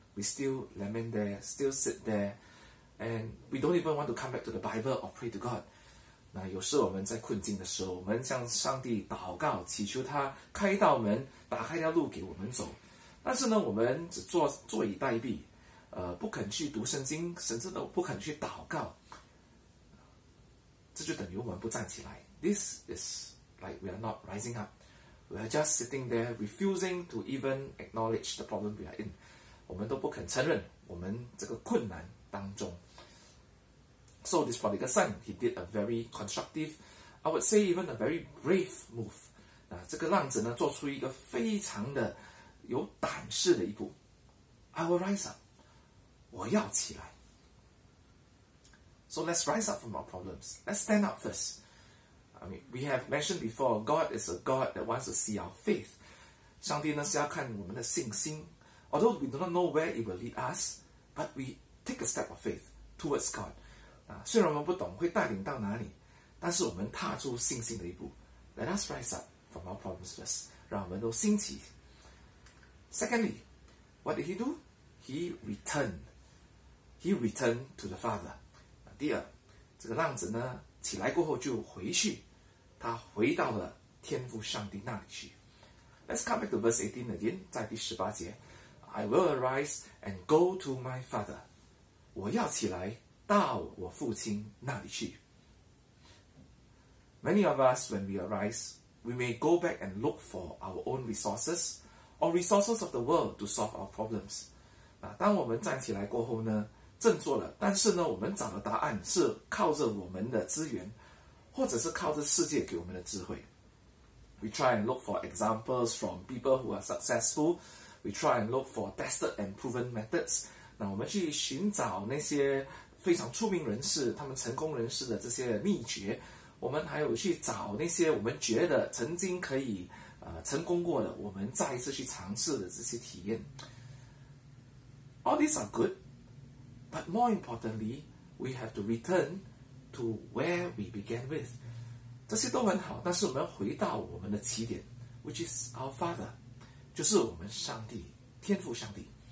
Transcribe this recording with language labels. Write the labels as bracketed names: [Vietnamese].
[English] We still lament there, still sit there, and we don't even want to come back to the Bible or pray to God. [Chinese] 那有时我们在困境的时候，我们向上帝祷告，祈求他开一道门，打开一条路给我们走。但是呢，我们只坐以待毙。不肯去读圣经，甚至都不肯去祷告，这就等于我们不站起来。 [English] This is like we are not rising up. We are just sitting there refusing to even acknowledge the problem we are in. [Chinese] 我们都不肯承认我们这个困难当中。 [English] So this prodigal son, he did a very constructive, I would say even a very brave move. [Chinese] 那这个浪子呢，做出一个非常的有胆识的一步。 [English] I will rise up. [Chinese] 我要起来。 [English] So let's rise up from our problems. Let's stand up first. I mean, we have mentioned before, God is a God that wants to see our faith. [Chinese] 上帝呢是要看我们的信心, [English] although we do not know where it will lead us, but we take a step of faith towards God. [Chinese] 虽然我们不懂会带领到哪里, 但是我们踏出信心的一步, [English] let us rise up from our problems first. [Chinese] 让我们都兴起。 [English] Secondly, what did he do? He returned. He returned to the Father. [Chinese] 第二,这个浪子呢,起来过后就回去, 他回到了天父上帝那里去。 [English] Let's come back to verse 18 again, [Chinese] 在第18节, [English] I will arise and go to my Father. [Chinese] 我要起来到我父亲那里去。 [English] Many of us, when we arise, we may go back and look for our own resources or resources of the world to solve our problems. [Chinese] 当我们站起来过后呢, 振作了, 但是呢, 我们找的答案是靠着我们的资源, 或者是靠着世界给我们的智慧。 [English] We try and look for examples from people who are successful. We try and look for tested and proven methods. [Chinese] 那我们去寻找那些非常出名人士, 他们成功人士的这些秘诀, 我们还有去找那些我们觉得曾经可以 成功过的, 我们再一次去尝试的这些体验。 [English] All these are good, but more importantly, we have to return to where we began with. [Chinese] 这些都很好, 但是我们回到我们的起点, [English] which is our Father, [Chinese] 就是我们上帝, 天父上帝。